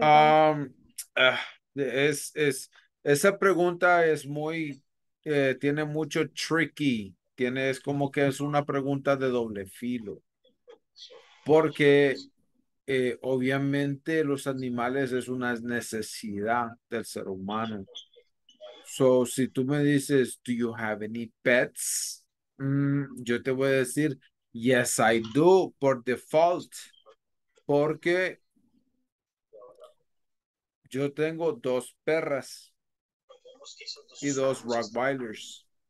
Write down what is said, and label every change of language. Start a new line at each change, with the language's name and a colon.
English: don't.
Spanish: Esa pregunta es muy, tiene mucho tricky. Es como que es una pregunta de doble filo. Porque obviamente los animales es una necesidad del ser humano.
English: So,
Spanish: si tú me dices,
English: do you have any pets?
Spanish: Yo te voy a decir,
English: yes, I do,
Spanish: por default, porque yo tengo dos perras y dos Rottweilers.